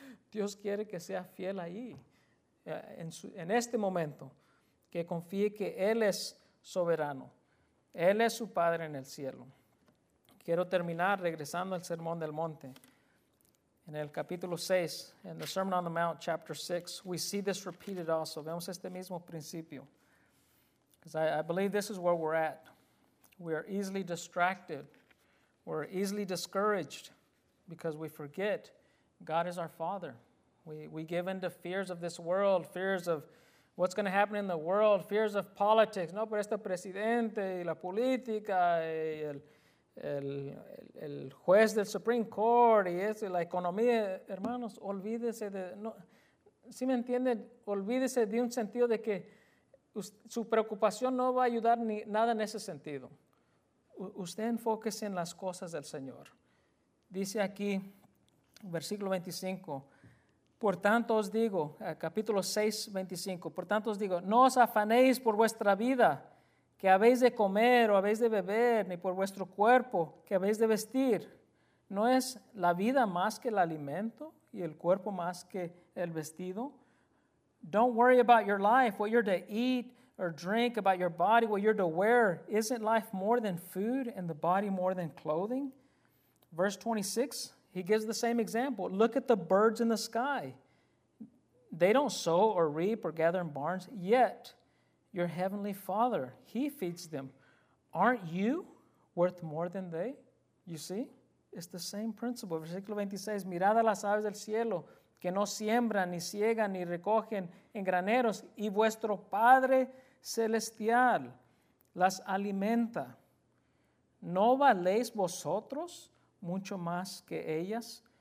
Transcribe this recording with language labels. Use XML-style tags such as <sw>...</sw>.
<es>Dios quiere que sea fiel ahí, en este momento, que confíe que Él es soberano. Él es su Padre en el cielo. Quiero terminar regresando al Sermón del Monte. En el capítulo 6, en el</es> <en>Sermon on the Mount, chapter 6, we see this repeated also.</en> <es>Vemos este mismo principio.</es> <en>Because I believe this is where we're at. We are easily distracted. We're easily discouraged because we forget God is our Father. We give in to fears of this world, fears of what's going to happen in the world, fears of politics.</en> <es>No, pero este presidente y la política y el juez del Supreme Court y eso, y la economía. Hermanos, olvídese de, no, si me entienden, olvídese de un sentido de que su preocupación no va a ayudar ni nada en ese sentido. Usted enfóquese en las cosas del Señor. Dice aquí, versículo 25, por tanto os digo, capítulo 6, 25, por tanto os digo, no os afanéis por vuestra vida, que habéis de comer o habéis de beber, ni por vuestro cuerpo, que habéis de vestir. ¿No es la vida más que el alimento y el cuerpo más que el vestido?</es> <en>Don't worry about your life, what you're to eat or drink, about your body, what you're to wear. Isn't life more than food and the body more than clothing? Verse 26, he gives the same example. Look at the birds in the sky. They don't sow or reap or gather in barns yet. Your heavenly Father, He feeds them. Aren't you worth more than they? You see? It's the same principle.</en> <es>Versículo 26. Mirad a las aves del cielo, que no siembran, ni siegan, ni recogen en graneros, y vuestro Padre celestial las alimenta. ¿No valéis vosotros mucho más que ellas?</es>